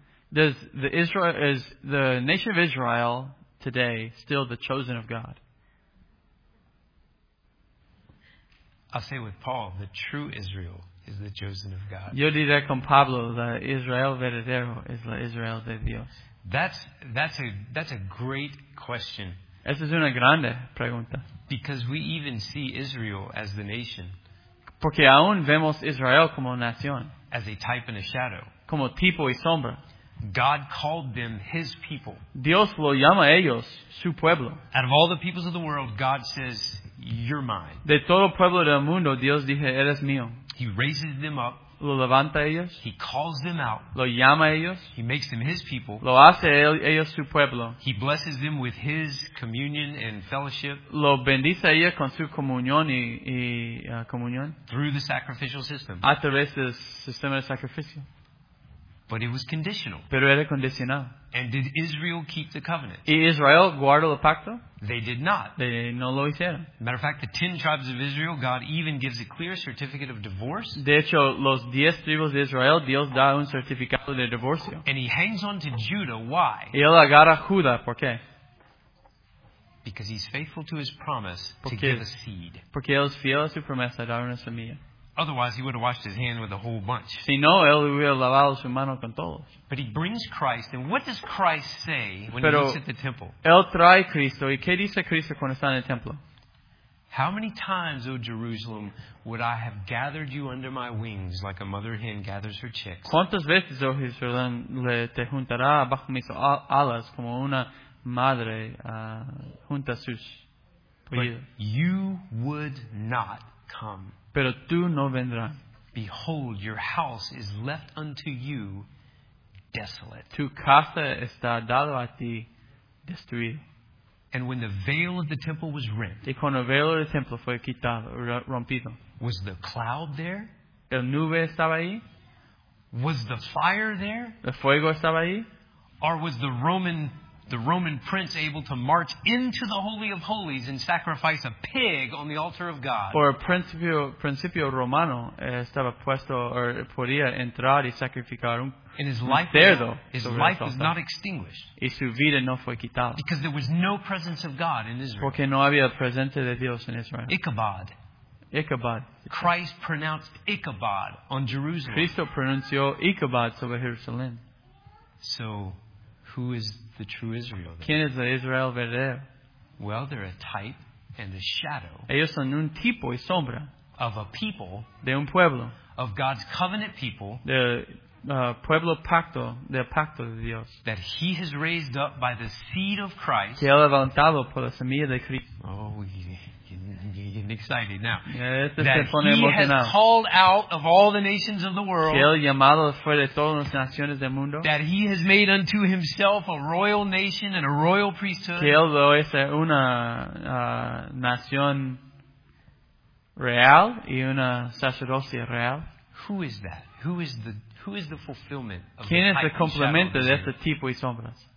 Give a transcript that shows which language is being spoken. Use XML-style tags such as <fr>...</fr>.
<en>Is the nation of Israel today still the chosen of God? I say with Paul, the true Israel is the chosen of God.</en> <es>Yo diré con Pablo, la Israel verdadero es la Israel de Dios.</es> <en>That's a great question.</en> <es>Esa es una grande pregunta.</es> <en>Because we even see Israel as the nation.</en> <es>Porque aún vemos Israel como nación.</es> <en>As a type and a shadow.</en> <es>Como tipo y sombra.</es> <en>God called them his people.</en> <es>Dios lo llama a ellos su pueblo.</es> <en>Out of all the peoples of the world, God says, you're mine.</en> <es>De todo pueblo del mundo, Dios dice, eres mío.</es> <en>He raises them up.</en> <es>Lo levanta a ellos.</es> <en>He calls them out.</en> <es>Lo llama a ellos.</es> <en>He makes them his people.</en> <es>Lo hace a ellos su pueblo.</es> <en>He blesses them with his communion and fellowship.</en> <es>Lo bendice a ellos con su comunión y comunión.</es> <en>Through the sacrificial system.</en> <es>A través del sistema de sacrificio.</es> <en>But it was conditional.</en> <es>Pero era condicional.</es> <en>And did Israel keep the covenant?</en> <es>¿Y Israel guardó el pacto?</es> <en>They did not. They</en> <es>no lo hicieron.</es> <en>Matter of fact, the 10 tribes of Israel, God even gives a clear certificate of divorce.</en> <es>De hecho, los 10 tribus de Israel, Dios da un certificado de divorcio.</es> <en>And he hangs on to Judah. Why?</en> <es>Y él agarra a Judá. ¿Por qué?</es> <en>Because he's faithful to his promise to give a seed.</en> <es>Porque él es fiel a su promesa de dar una semilla.</es> <en>Otherwise, he would have washed his hand with a whole bunch.</en> <es>Si no, él hubiera lavado su mano con todos.</es> <en>But he brings Christ, and what does Christ say when</en> <es>Pero</es> <en>he looks at the temple?</en> <es>Él trae Cristo, y ¿qué dice Cristo cuando está en el templo?</es> <en>How many times, O Jerusalem, would I have gathered you under my wings like a mother hen gathers her chicks?</en> <es>¿Cuántas veces, O Jerusalén, le te juntará bajo mis alas como una madre junta sus pollos?</es> <en>You would not come.</en> <es>Pero tú no vendrás.</es> <en>Behold, your house is left unto you desolate.</en> <es>Tu casa está dado a ti destruido.</es> <en>And when the veil of the temple was rent,</en> <es>y cuando el velo del templo fue quitado, rompido,</es> <en>was the cloud there?</en> <es>¿El nube estaba ahí?</es> <en>Was the fire there?</en> <es>¿El fuego estaba ahí?</es> <en>Or was the Roman prince able to march into the Holy of Holies and sacrifice a pig on the altar of God?</en> <es>Or principio romano estaba puesto or podía entrar y sacrificar un</es> <en>And his life,</en> <es>cerdo</es> <en>his life was not extinguished.</en> <es>Y su vida no fue quitada.</es> <en>Because there was no presence of God in Israel.</en> <es>Porque no había presencia de Dios en Israel.</es> <en>Ichabod. Christ pronounced Ichabod on Jerusalem.</en> <es>Cristo pronunció Ichabod sobre Jerusalén.</es> <en>So, who is the true Israel?</en> <es>¿Quién es la Israel verdadera?</es> <en>Well, they're a type and a shadow.</en> <es>Ellos son un tipo y sombra</es> <en>of a people,</en> <es>de un pueblo,</es> <en>of God's covenant people,</en> <es>de pueblo pacto, del pacto de Dios,</es> <en>that he has raised up by the seed of Christ,</en> <es>que él ha levantado por la semilla de Cristo.</es> <en>Oh, you're getting excited now. That he has called out of all the nations of the world.</en> <es>Que él llamado fue de todas las naciones del mundo.</es> <en>That he has made unto himself a royal nation and a royal priesthood.</en> <es>Que él lo es una nación real y una sacerdocia real.</es> <en>Who is that? Who is the fulfillment of</en> <es>¿Quién</es> <en>the</en> <es>es el complemento de este tipo y sombras?</es>